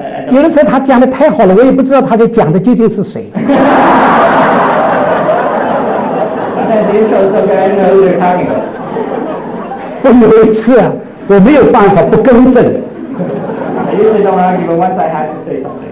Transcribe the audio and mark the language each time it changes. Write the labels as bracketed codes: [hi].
[zh] 有的时候他讲的太好了，我也不知道他在讲的究竟是谁。 [en] Sometimes the intro is so good, I don't know who they're talking about. [zh] 我有一次啊，我没有办法不更正。 [en] I usually don't argue, but once I had to say something.